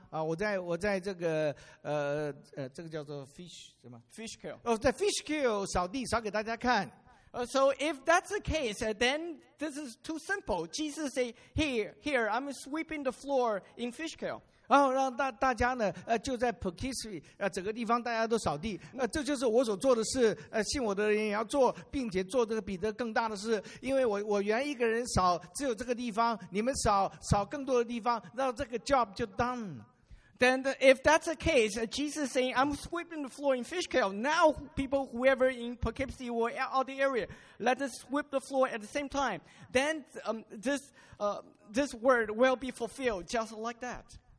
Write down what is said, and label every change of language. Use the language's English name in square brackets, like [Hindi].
[Chinese] 如果是这样太简单了，耶稣就跟大家说，哎，你来看我扫地啊，我在这个叫做 fish 什么 [English] fish kill， [Chinese] 哦，在 fish kill 扫地扫给大家看。 [English] So if that's the case, then this is too simple. Jesus say, here, I'm sweeping the floor in fish kill. [Chinese] 然后让大家呢，就在 Pukisi 整个地方大家都扫地，这就是我所做的事，信我的人也要做，并且做这个比这更大的事，因为我原一个人扫只有这个地方，你们扫更多的地方，让这个 job 就 done。 [English] Then, if that's the case, Jesus is saying, I'm sweeping the floor in Fishkill. Now, people, whoever in Poughkeepsie or out the area, let us sweep the floor at the same time. Then this word will be fulfilled just like that.